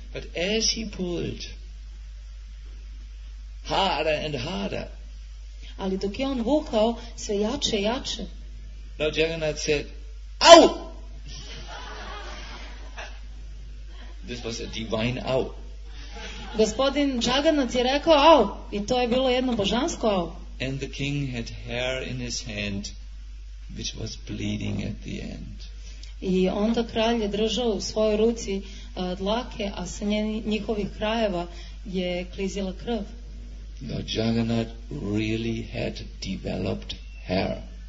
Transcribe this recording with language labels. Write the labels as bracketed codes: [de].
[en] But as he pulled harder and harder, [sr] ali dok je on vukao sve jače i jače, [en] Lord Jagannath said, Au! This was a divine au. [sr] Gospodin Džaganat je rekao au, i to je bilo jedno božansko au. [en] And the king had hair in his hand which was bleeding at the end. [sr] I onda kralj je držao u svojoj ruci dlake, a sa njihovih krajeva je klizila krv. [en] Now Jagannath really had developed hair.